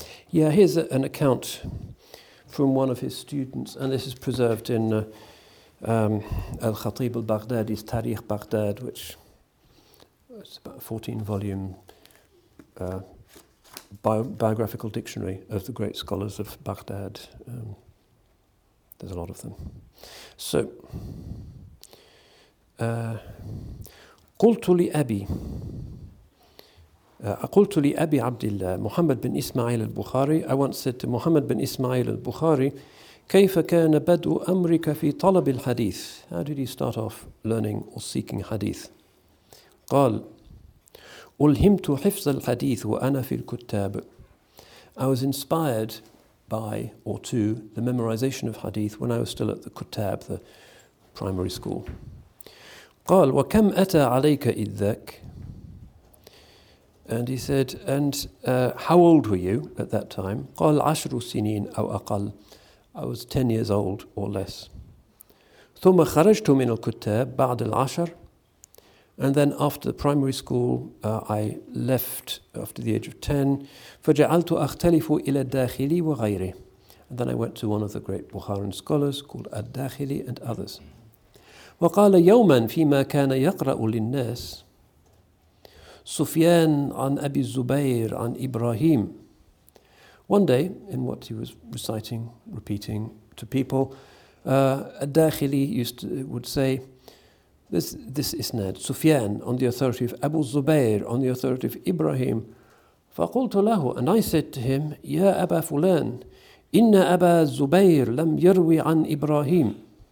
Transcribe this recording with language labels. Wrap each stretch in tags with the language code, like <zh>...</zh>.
<en>Yeah, here's an account from one of his students, and this is preserved in Al-Khatib al-Baghdadi's Tariq Baghdad, which is about a 14-volume biographical dictionary of the great scholars of Baghdad. There's a lot of them.</en> <ar>So, قلت لأبي أقلت لأبي عبد الله محمد بن إسماعيل البخاري.</ar> <en>I once said to Muhammad bin Ismail al-Bukhari,</en> <ar>كيف كان بدء أمرك في طلب الحديث?</ar> <en>How did you start off learning or seeking hadith?</en> <ar>قال ألهمت حفظ الحديث وأنا في الكتاب.</ar> <en>I was inspired by or to the memorization of hadith when I was still at the Kutab, the primary school.</en> <ar>قال وكم أتى عليك إذ ذاك?</ar> <en>And he said, and how old were you at that time?</en> <ar>قال عشر سنين أو أقل.</ar> <en>I was 10 years old or less.</en> <ar>ثم خرجت من الكتاب بعد العشر.</ar> <en>And then after the primary school, I left after the age of 10.</en> <ar>فجعلت أختلف إلى الداخلي وغيري.</ar> <en>And then I went to one of the great Bukharan scholars called الداخلي and others.</en> <ar>وقال يوما فيما كان يقرأ للناس Sufyan an Abi Zubayr an Ibrahim.</ar> <en>One day, in what he was reciting, repeating to people, Ad-Dakhili would say, this isnad, Sufyan on the authority of Abu Zubayr, on the authority of Ibrahim.</en> <ar>فَقُلْتُ لَهُ</ar> <en>And I said to him,</en> <ar>يَا أَبَا فُلَانَ إِنَّ أَبَا Zubayr لَمْ يَرْوِ عَنْ Ibrahim.</ar>